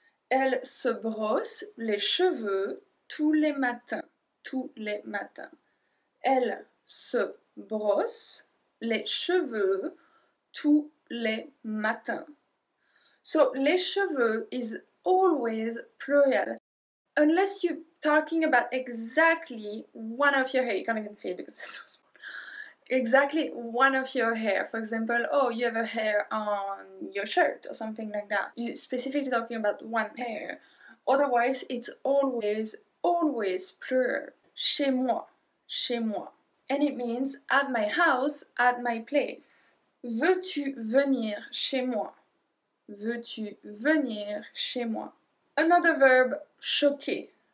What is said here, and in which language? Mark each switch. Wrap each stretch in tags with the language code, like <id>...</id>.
<fr>Elle se brosse les cheveux tous les matins. Tous les matins. Elle se brosse les cheveux tous les matins.</fr> <en>So, les cheveux is always plural. Unless you're talking about exactly one of your hair. You can't even see it because it's so small. Exactly one of your hair. For example, oh, you have a hair on your shirt or something like that. You're specifically talking about one hair. Otherwise, it's always, always plural.</en> <fr>Chez moi. Chez moi.</fr> <en>And it means at my house, at my place.</en> <fr>Veux-tu venir chez moi? Veux-tu venir chez moi?</fr> <en>Another verb,</en> <fr>choquer.</fr>